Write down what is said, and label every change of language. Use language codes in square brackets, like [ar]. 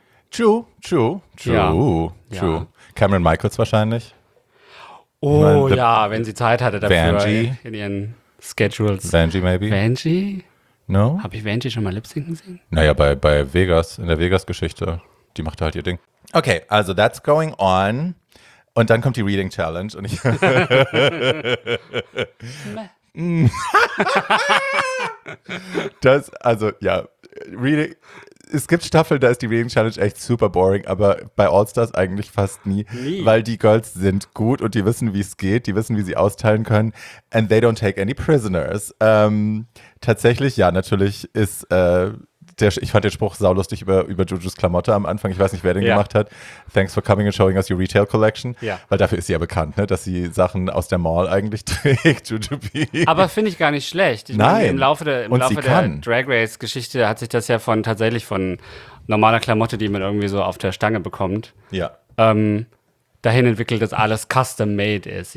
[en] True. [de] Ja. Cameron Michaels wahrscheinlich. Oh ja, wenn sie Zeit hatte dafür. Vangie. In ihren Schedules. [en] Vangie maybe. Vangie? No? [de] Habe ich Vangie schon mal lip-syncen sehen? Naja, bei Vegas, in der Vegas-Geschichte. Die macht halt ihr Ding. [en] Okay, also that's going on. [de] Und dann kommt die Reading Challenge. Und ich das, also ja, Reading, es gibt Staffeln, da ist die Reading Challenge echt super boring, aber bei All-Stars eigentlich fast nie. Weil die Girls sind gut und die wissen, wie es geht, die wissen, wie sie austeilen können. [en] And they don't take any prisoners. [de] Tatsächlich, ja, natürlich ist ich fand den Spruch saulustig über Jujus Klamotte am Anfang. Ich weiß nicht, wer den gemacht hat. [en] Thanks for coming and showing us your retail collection. [de] Ja. Weil dafür ist sie ja bekannt, ne? Dass sie Sachen aus der Mall eigentlich trägt, Jujubee. Aber finde ich gar nicht schlecht. Nein. Im Laufe der Drag Race-Geschichte hat sich das ja von normaler Klamotte, die man irgendwie so auf der Stange bekommt, dahin entwickelt, dass alles custom-made ist.